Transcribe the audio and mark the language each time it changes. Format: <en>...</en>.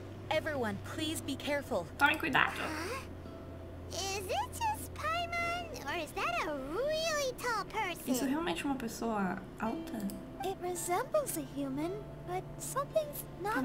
<en>Everyone, please be careful.</en> <pt>Tome cuidado.</pt> <en>Is it just Paimon or is that a really tall person?</en> <pt>Isso é realmente uma pessoa alta?</pt> <en>It resembles a human, but something's not quite</en>